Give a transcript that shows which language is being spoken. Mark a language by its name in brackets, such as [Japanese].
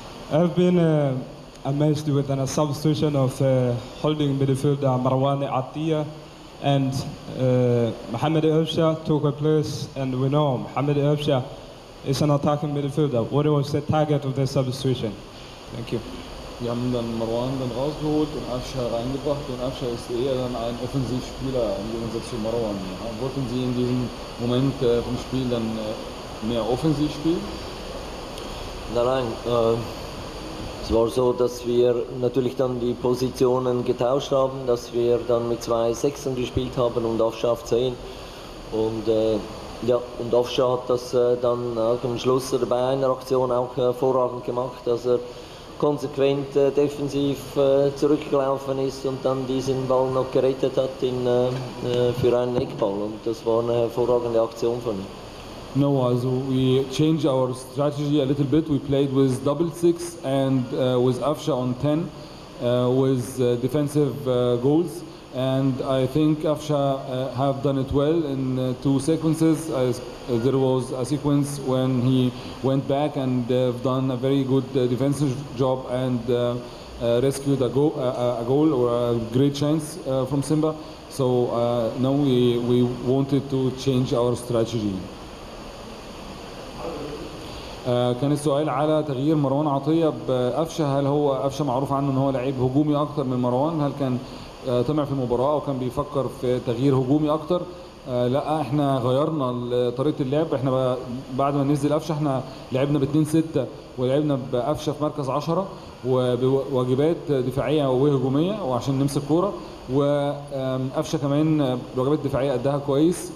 [English] I've been amazed with a substitution of holding midfielder Marwane Atiya and Mohamed Elfsha took a place, and we know Mohamed Elfsha is an attacking midfielder. What was the target of the substitution? Thank you. [German] Wir haben dann Marwan dann rausgeholt und Afsha reingebracht, und Afsha ist eher dann ein Offensivspieler im Gegensatz zu Marwan. Wollten Sie in diesem Moment vom Spiel dann mehr offensiv spielen? Nein, es war so, dass wir natürlich dann die Positionen getauscht haben, dass wir dann mit zwei Sechsen gespielt haben und Afsha auf 10. Und ja, und Afsha hat das dann auch am Schluss bei einer Aktion auch hervorragend gemacht, dass er konsequent defensiv zurückgelaufen ist und dann diesen Ball noch gerettet hat in, für einen Eckball, und das war eine hervorragende Aktion von ihm. [English] No, also we changed our strategy a little bit. We played with double six and with Afsha on 10 with defensive goals, and I think Afsha have done it well in two sequences. There was a sequence when he went back and they've done a very good defensive job and rescued a goal or a great chance from Simba. So now we wanted to change our strategy. [Arabic] كان السؤال على تغيير مروان عطية بأفشة. هل هو أفشة معروف عنه ان هو لعيب هجومي اكتر من مروان؟ هل كان طمع في المباراة وكان بيفكر في تغيير هجومي اكتر؟ لا، احنا غيرنا طريقه اللعب. احنا بعد ما نزل أفشة احنا لعبنا باتنين ستة ولعبنا بأفشة في مركز 10 وبواجبات دفاعيه وهجوميه وعشان نمسك كوره، وأفشة كمان واجبات دفاعيه قدها كويس.